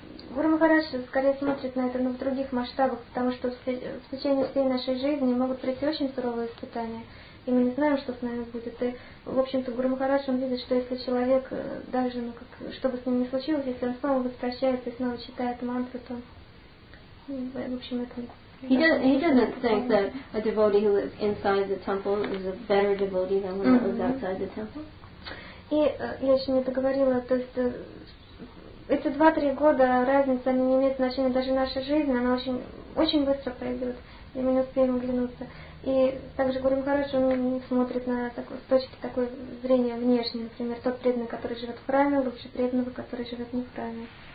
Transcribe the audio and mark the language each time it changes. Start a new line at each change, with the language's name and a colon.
Russian: Гуру Махарадж скорее смотрит на это, но в других масштабах, потому что в течение всей нашей жизни могут прийти очень суровые испытания, и мы не знаем, что с нами будет. И, в общем-то, Гуру Махарадж, он видит, что если человек, даже, ну, как, что бы с ним ни случилось, если он снова возвращается и снова читает мантру, то, в общем, это...
English: He doesn't think that a devotee who lives inside the temple is a better devotee than one who lives outside the temple.
Russian: И я еще не договорила, то есть эти 2-3 года разницы, они не имеют значения, даже наша жизнь, она очень, очень быстро пройдет, и мы не успеем оглянуться. И также Гуру Махарадж, он смотрит на такой, с точки такой зрения внешней, например, тот преданный, который живет в храме, лучше преданного, который живет не в храме.